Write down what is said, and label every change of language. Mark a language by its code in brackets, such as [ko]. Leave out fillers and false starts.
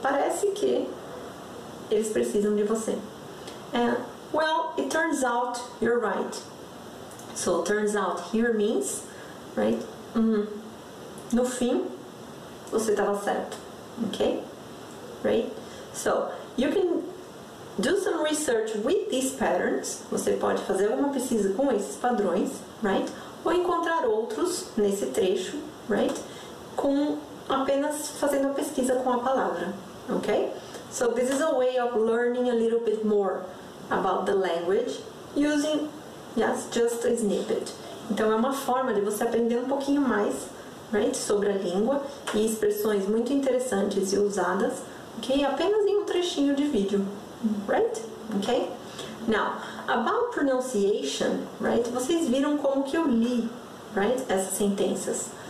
[pt] Parece que eles precisam de você. [en] Well, it turns out you're right. So, turns out here means, right? [pt] No fim, você estava certo, [en] ok? Right? So, you can do some research with these patterns. [pt] Você pode fazer alguma pesquisa com esses padrões, right? Ou encontrar outros nesse trecho, right? Com apenas fazendo a pesquisa com a palavra, ok? [en] So, this is a way of learning a little bit more about the language using, yes, just a snippet. [pt] Então, é uma forma de você aprender um pouquinho mais, right, sobre a língua e expressões muito interessantes e usadas, ok? Apenas em um trechinho de vídeo, right? Ok? [en] Now, about pronunciation, [pt] right? Vocês viram como que eu li, right, essas sentenças.